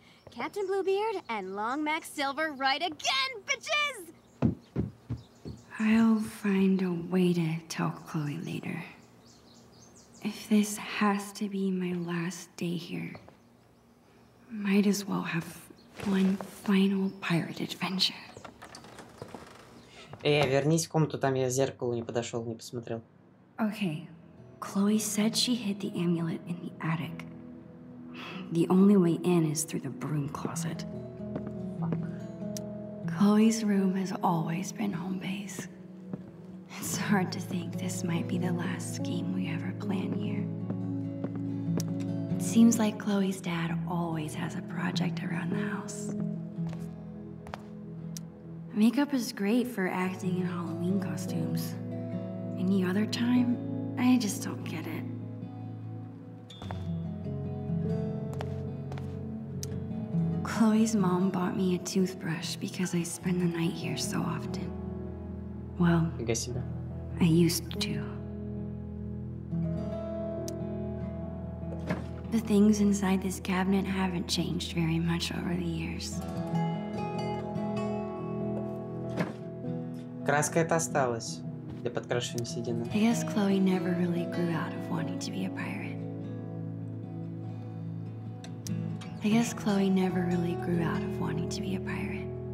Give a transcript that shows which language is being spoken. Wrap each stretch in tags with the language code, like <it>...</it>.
<en>Captain Bluebeard and Long Max Silver ride again, bitches! I'll find a way to tell Chloe later. If this has to be my last day here, might as well have one final pirate adventure.</en> <ru>Эй, вернись в комнату, там я зеркалу не подошел, не посмотрел.</ru> <en>Okay, Chloe said she hid the amulet in the attic. The only way in is through the broom closet. Chloe's room has always been home base. It's hard to think this might be the last game we ever plan here. It seems like Chloe's dad always has a project around the house. Makeup is great for acting in Halloween costumes. Any other time, I just don't get it. Chloe's mom bought me a toothbrush because I spend the night here so often. Well, I guess you know. I used to. The things inside this cabinet haven't changed very much over the years.</en> <ru>Краска эта осталась для подкрашивания седины.</ru> <en>I guess Chloe never really grew out of wanting to be a pirate. I guess Chloe never really grew out of wanting to be a pirate.</en>